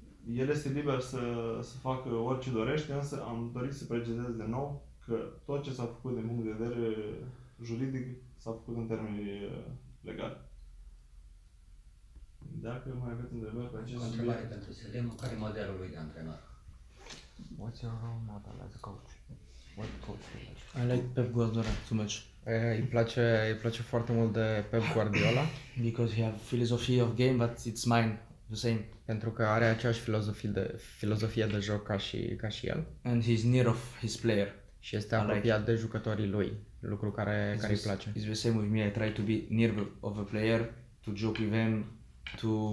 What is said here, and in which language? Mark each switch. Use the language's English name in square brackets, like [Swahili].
[Romanian] El este liber să facă orice dorește, însă am dorit să precizez de nou că tot ce s-a făcut din punct de vedere juridic s-a făcut în termeni legali. Dacă mai aveți întrebări pe acest subiect... O întrebare pentru Selim, care e modelul lui de antrenor? [English] What's your role model as a coach? What coach do you like? I like Pep Guardiola too much. [Romanian] Îi place foarte mult de Pep Guardiola. [English] Because he have philosophy of game, but it's mine. The same. [Romanian] Pentru că are aceeași filozofie de joc ca și el. [English] And he's near of his player. [Romanian] Și este apropiat de jucătorii lui, lucru care îi place. [English] It's the same with me. I try to be near of a player, to joke with him, to...